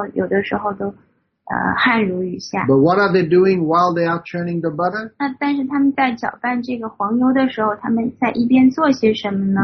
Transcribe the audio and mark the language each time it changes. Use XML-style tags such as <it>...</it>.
<zh>他们就是在搅拌这个黄油的时候，搅拌的时候非常非常的累，然后有的时候都汗如雨下。</zh> <en>But what are they doing while they are churning the butter?</en> <zh>但是他们在搅拌这个黄油的时候，他们在一边做些什么呢？</zh>